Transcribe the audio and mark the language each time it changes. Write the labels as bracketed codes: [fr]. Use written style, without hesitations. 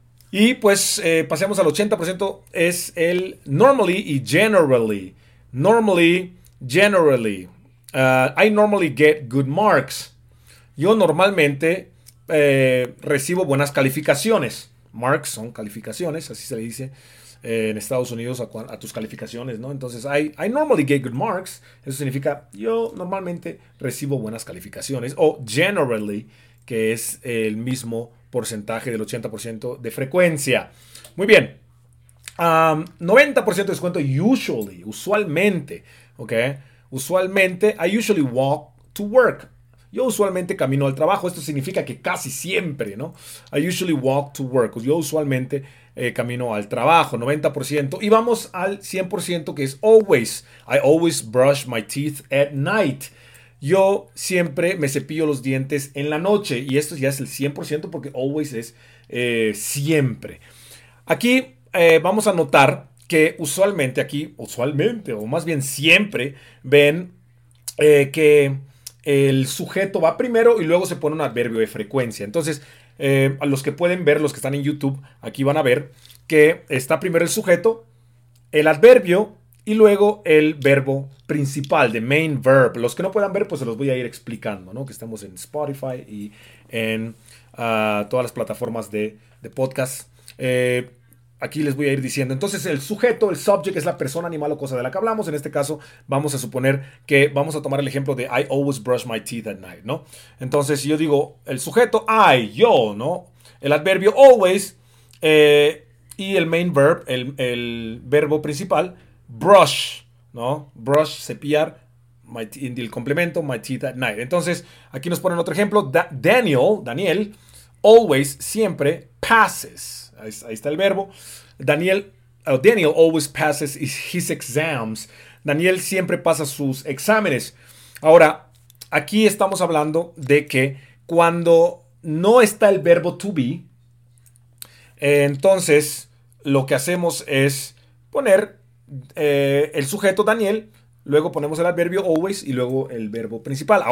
[es] Y pues pasemos al 80%, es el normally y generally. [en] Normally, generally. I normally get good marks. [es] Yo normalmente recibo buenas calificaciones. Marks son calificaciones, así se le dice en Estados Unidos a tus calificaciones, ¿no? Entonces, [en] I normally get good marks. [es] Eso significa, yo normalmente recibo buenas calificaciones. O generally, que es el mismo porcentaje del 80% de frecuencia. Muy bien. 90% de descuento, usualmente, ¿ok? Usualmente, [en] I usually walk to work. [es] Yo usualmente camino al trabajo. Esto significa que casi siempre, ¿no? [en] I usually walk to work. [es] Yo usualmente camino al trabajo, 90%. Y vamos al 100%, que es always. [en] I always brush my teeth at night. [es] Yo siempre me cepillo los dientes en la noche. Y esto ya es el 100% porque always es siempre. Aquí vamos a notar que usualmente aquí, usualmente, o más bien siempre, ven que el sujeto va primero y luego se pone un adverbio de frecuencia. Entonces, a los que pueden ver, los que están en YouTube, aquí van a ver que está primero el sujeto, el adverbio y luego el verbo principal, the main verb. Los que no puedan ver, pues se los voy a ir explicando, ¿no? Que estamos en Spotify y en todas las plataformas de podcast. Aquí les voy a ir diciendo. Entonces, el sujeto, el subject, es la persona, animal o cosa de la que hablamos. En este caso, vamos a suponer que vamos a tomar el ejemplo de [en] I always brush my teeth at night, [es] ¿no? Entonces, yo digo el sujeto, I, yo, ¿no? El adverbio always y el main verb, el verbo principal, brush, ¿no? Brush, cepillar, el complemento, [en] my teeth at night. [es] Entonces, aquí nos ponen otro ejemplo. Daniel, always, siempre, passes. Ahí está el verbo. [en] Daniel always passes his exams. [es] Daniel siempre pasa sus exámenes. Ahora, aquí estamos hablando de que cuando no está el verbo to be, entonces lo que hacemos es poner el sujeto Daniel, luego ponemos el adverbio always y luego el verbo principal.